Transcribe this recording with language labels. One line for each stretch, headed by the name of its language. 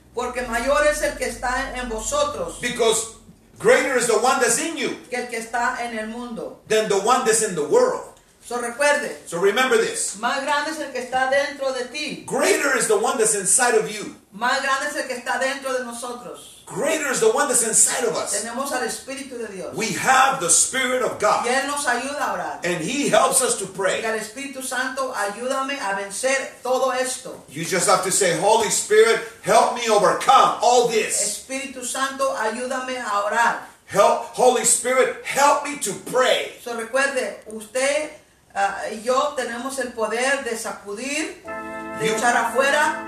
Spanish: Porque mayor es el que está en vosotros.
English: Because greater is the one that's in you.
Spanish: Que el que está en el mundo.
English: Than the one that's in the world.
Spanish: So recuerde.
English: So remember this.
Spanish: Más grande es el que está dentro de ti.
English: Greater is the one that's inside of you.
Spanish: Más grande es el que está dentro de nosotros.
English: Greater is the one that's inside of us.
Spanish: Tenemos al Espíritu de Dios.
English: We have the Spirit of God.
Spanish: Y Él nos ayuda a orar.
English: And He helps us to pray.
Spanish: Y al Espíritu Santo, ayúdame a vencer todo esto.
English: You just have to say, Holy Spirit, help me overcome all this.
Spanish: Espíritu Santo, ayúdame a orar.
English: Help, Holy Spirit, help me to pray.
Spanish: So recuerde, usted... yo tenemos el poder de sacudir, de you, echar afuera.